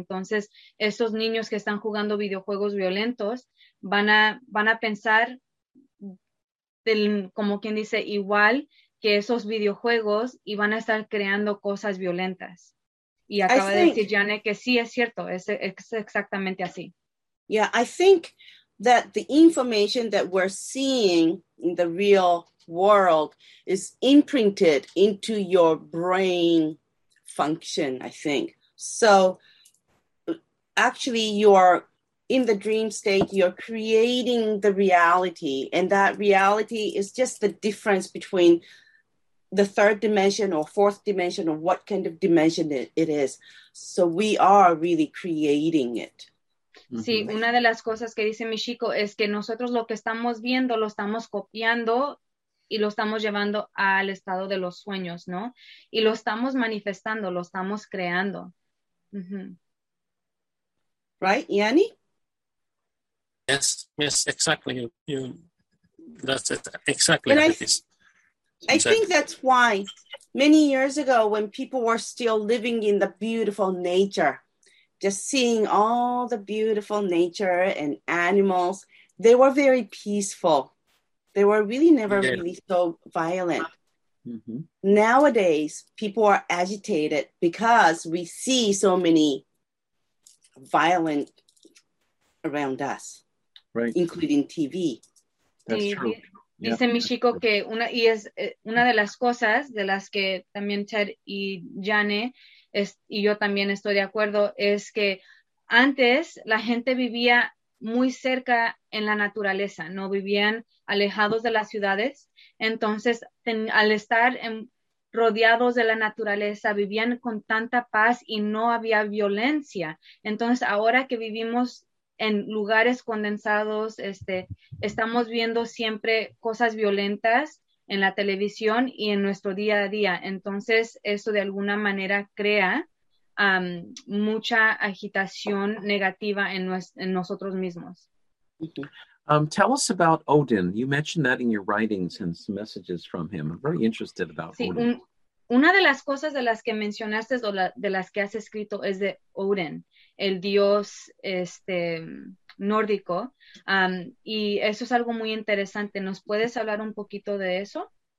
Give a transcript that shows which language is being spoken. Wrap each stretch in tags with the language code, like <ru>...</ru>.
<es>Entonces, esos niños que están jugando videojuegos violentos van a pensar, como quien dice, igual que esos videojuegos, y van a estar creando cosas violentas. Y acaba de decir Janet que sí, es cierto, es exactamente así.</es> <en>Yeah, I think that the information that we're seeing in the real world is imprinted into your brain function, I think. So actually you are in the dream state, you're creating the reality, and that reality is just the difference between the third dimension or fourth dimension or what kind of dimension it is. So we are really creating it. Sí, una de las cosas que dice Michiko es que nosotros lo que estamos viendo lo estamos copiando y lo estamos llevando al estado de los sueños, ¿no? Y lo estamos manifestando, lo estamos creando. Uh-huh. Right, Yanni? Yes, exactly. That's exactly what it is. I think that's why many years ago when people were still living in the beautiful nature, just seeing all the beautiful nature and animals, they were very peaceful. They were really never really so violent. Mm-hmm. Nowadays, people are agitated because we see so many violent around us, right, including TV. That's true.</en> <es>Dice Michiko que una de las cosas de las que también Ted y Jane y yo también estoy de acuerdo, es que antes la gente vivía muy cerca en la naturaleza, no vivían alejados de las ciudades. Entonces, al estar rodeados de la naturaleza, vivían con tanta paz y no había violencia. Entonces, ahora que vivimos en lugares condensados, estamos viendo siempre cosas violentas en la televisión y en nuestro día a día. Entonces, eso de alguna manera crea mucha agitación negativa en nosotros mismos.</es> <en>Tell us about Odin. You mentioned that in your writings and some messages from him. I'm very interested about Odin.</en> <es>Una de las cosas de las que mencionaste o de las que has escrito es de Odin, el dios nórdico. Y eso es algo muy interesante. ¿Nos puedes hablar un poquito de eso?</es>